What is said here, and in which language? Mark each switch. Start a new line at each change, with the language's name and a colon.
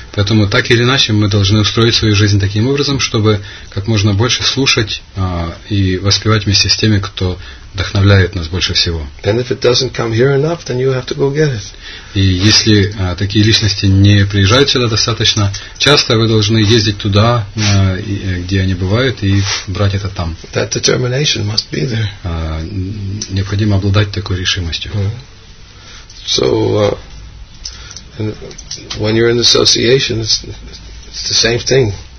Russian: Поэтому, так или иначе, мы должны устроить свою жизнь таким образом, чтобы как можно больше слушать и воспевать вместе с теми, кто вдохновляет нас больше всего.
English: And if it doesn't come here enough, then you have to go get it.
Russian: И если такие личности не приезжают сюда достаточно часто, вы должны ездить туда, где они бывают, и брать это там.
English: That determination must be there.
Russian: Необходимо обладать такой решимостью.
English: So, when you're in association, it's the same thing.